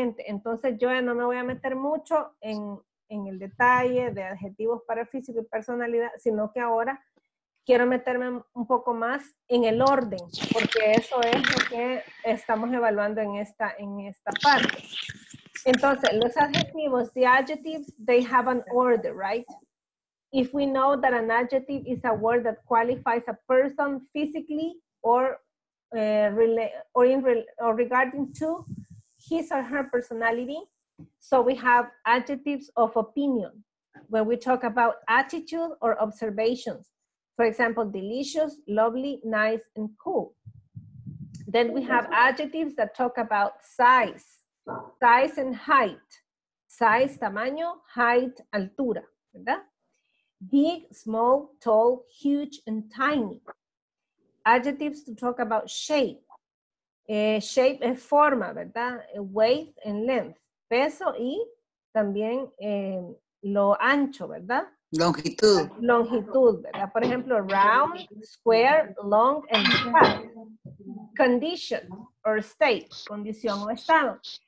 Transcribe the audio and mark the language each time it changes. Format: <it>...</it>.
<es>Entonces yo ya no me voy a meter mucho en el detalle de adjetivos para físico y personalidad, sino que ahora quiero meterme un poco más en el orden, porque eso es lo que estamos evaluando en esta parte. Entonces, los adjetivos,</es> <en>the adjectives, they have an order, right? If we know that an adjective is a word that qualifies a person physically or regarding to his or her personality, so we have adjectives of opinion. When we talk about attitude or observations, for example, delicious, lovely, nice, and cool. Then we have adjectives that talk about size. Size and height. Size,</en> <es>tamaño,</es> <en>height,</en> <es>altura, ¿verdad?</es> <en>Big, small, tall, huge, and tiny. Adjectives to talk about shape.</en> <es>Shape es forma, ¿verdad?</es> <en>Weight</en> <es>en</es> <en>length,</en> <es>peso y también lo ancho, ¿verdad? Longitud. Longitud, ¿verdad? Por ejemplo,</es> <en>round, square, long and fat. Condition or state,</en> <es>condición o estado.</es>